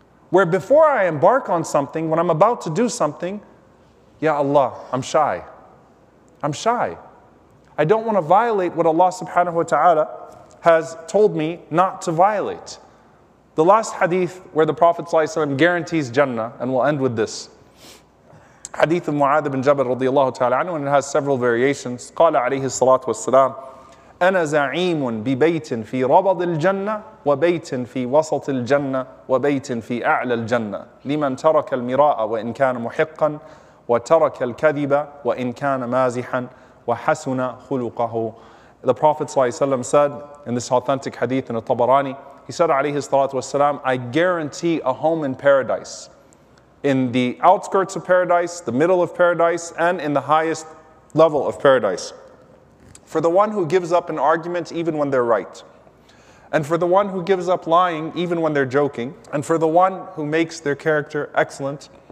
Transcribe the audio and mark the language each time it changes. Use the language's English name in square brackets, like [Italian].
[English] Where before I embark on something, when I'm about to do something, ya Allah, I'm shy. I'm shy. I don't want to violate what Allah subhanahu wa ta'ala has told me not to violate. The last hadith where the Prophet sallallahu alayhi wa sallam guarantees Jannah, and we'll end with this. Hadith of Mu'adh ibn Jabal radiallahu ta'ala anhu, and it has several variations. [Arabic] Qala alayhi salatu wassalam, أَنَا زَعِيمٌ بِبَيْتٍ فِي رَبَضِ الْجَنَّةِ وَبَيْتٍ فِي وَسَطِ الْجَنَّةِ وَبَيْتٍ فِي أَعْلَى الْجَنَّةِ لِمَنْ تَرَكَ الْمِرَاءَ وَإِنْ كَانَ مُحِقًّا وَتَرَكَ الْكَذِبَ وَإِنْ كَانَ مَازِحًا وَحَسُنَ خُلُقَهُ. [English] The Prophet ﷺ said in this authentic hadith in al-Tabarani, he said alayhi salatu wassalam, I guarantee a home in paradise, in the outskirts of paradise, the middle of paradise, and in the highest level of paradise, for the one who gives up an argument even when they're right, and for the one who gives up lying even when they're joking, and for the one who makes their character excellent.